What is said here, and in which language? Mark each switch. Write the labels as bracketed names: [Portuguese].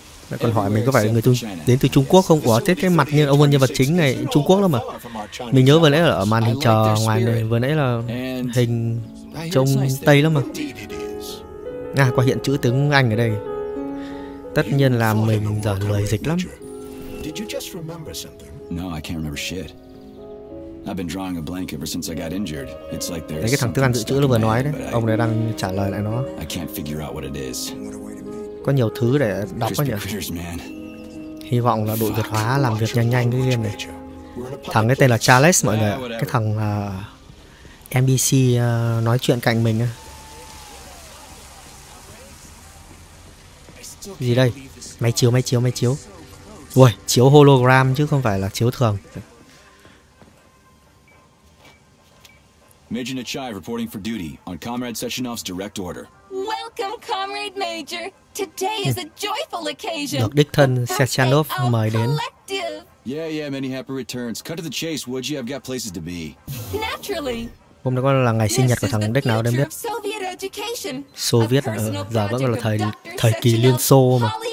[Vietnamese] Mẹ còn hỏi mình có phải người đến từ Trung Quốc không? Ủa, thế cái mặt như ông nhân vật chính này Trung Quốc lắm mà. Mình nhớ vừa nãy là ở màn hình chờ ngoài này, vừa nãy là hình trông Tây lắm mà. À, qua hiện chữ tiếng Anh ở đây. Tất nhiên là mình giờ lười dịch lắm. [English] No, I can't remember shit. I've been drawing a blank ever since I got injured. It's like there's. [Vietnamese] Đấy, cái thằng thức ăn dự trữ nó vừa nói đấy. Ông này đang trả lời lại nó. [English] I can't figure out what it is. [Vietnamese] Có nhiều thứ để đọc quá nhỉ. Hy vọng là đội vượt hóa làm việc nhanh nhanh cái game này. Thằng ấy tên là Charles mọi người ạ. Cái thằng NPC nói chuyện cạnh mình á. Gì đây? Máy chiếu. Ui, chiếu hologram chứ không phải là chiếu thường. [English] Major Nachai reporting for duty on Comrade Sechenov's direct order. Welcome, Comrade Major. Today is a joyful occasion. [Vietnamese] Được đích thân Sechenov mời đến. [English] Yeah, many happy returns. Cut to the chase, would you? I've got places to be. Naturally. [Vietnamese] Hôm nay là ngày sinh nhật của thằng đích nào đâu biết. Xô Viết giờ vẫn là thời kỳ Liên Xô mà.